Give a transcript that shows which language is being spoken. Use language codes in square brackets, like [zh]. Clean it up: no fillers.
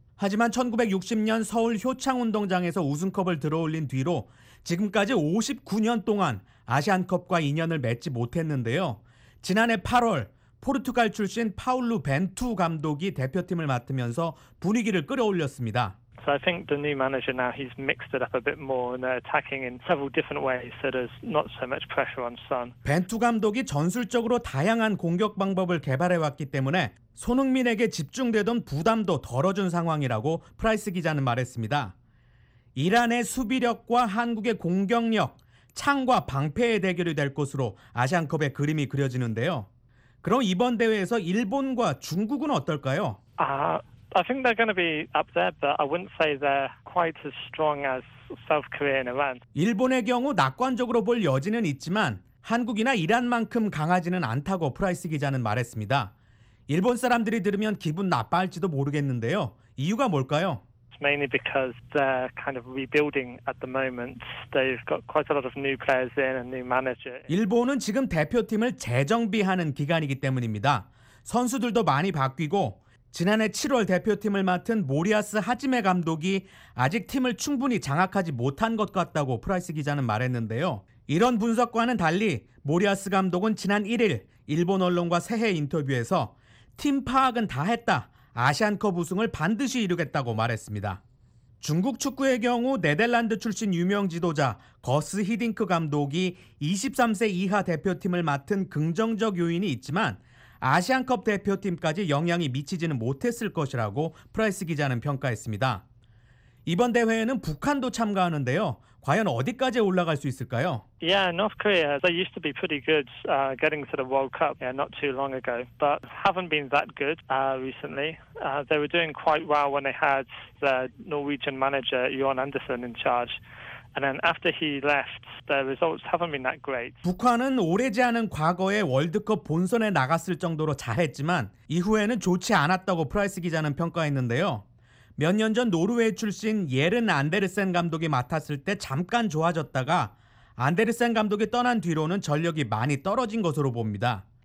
[ko] 하지만 1960년 서울 효창운동장에서 우승컵을 들어올린 뒤로 지금까지 59년 동안 아시안컵과 인연을 맺지 못했는데요. 지난해 8월 포르투갈 출신 파울루 벤투 감독이 대표팀을 맡으면서 분위기를 끌어올렸습니다. [en] So I think the new manager now he's mixed it up a bit more and attacking in several different ways so there's not so much pressure on Son. [ko] 벤투 감독이 전술적으로 다양한 공격 방법을 개발해 왔기 때문에 손흥민에게 집중되던 부담도 덜어준 상황이라고 프라이스 기자는 말했습니다. 이란의 수비력과 한국의 공격력, 창과 방패의 대결이 될 것으로 아시안컵의 그림이 그려지는데요. 그럼 이번 대회에서 일본과 중국은 어떨까요? [en] I think they're going to be up there, but I wouldn't say they're quite as strong as South Korea and Iran. [ko] 일본의 경우 낙관적으로 볼 여지는 있지만 한국이나 이란만큼 강하지는 않다고 프라이스 기자는 말했습니다. 일본 사람들이 들으면 기분 나빠할지도 모르겠는데요. 이유가 뭘까요? [en] Mainly because they're kind of rebuilding at the moment. They've got quite a lot of new players in and new manager. [ko] 일본은 지금 대표팀을 재정비하는 기간이기 때문입니다. 선수들도 많이 바뀌고 지난해 7월 대표팀을 맡은 모리아스 하지메 감독이 아직 팀을 충분히 장악하지 못한 것 같다고 프라이스 기자는 말했는데요. 이런 분석과는 달리 모리아스 감독은 지난 1일 일본 언론과 새해 인터뷰에서 팀 파악은 다 했다. 아시안컵 우승을 반드시 이루겠다고 말했습니다. 중국 축구의 경우 네덜란드 출신 유명 지도자 거스 히딩크 감독이 23세 이하 대표팀을 맡은 긍정적 요인이 있지만 아시안컵 대표팀까지 영향이 미치지는 못했을 것이라고 프라이스 기자는 평가했습니다. 이번 대회에는 북한도 참가하는데요. 과연 어디까지 올라갈 수 있을까요? [en] Yeah, North Korea. They used to be pretty good getting to the World Cup not too long ago, but haven't been that good recently. They were doing quite well when they had the Norwegian manager Jon Andersen in charge. And then after he left, the results haven't been that great. [ko] 북한은 오래지 않은 과거에 월드컵 본선에 나갔을 정도로 잘했지만 이후에는 좋지 않았다고 프라이스 기자는 평가했는데요. 몇 년 전 노르웨이 출신 예른 안데르센 감독이 맡았을 때 잠깐 좋아졌다가 안데르센 감독이 떠난 뒤로는 전력이 많이 떨어진 것으로 봅니다.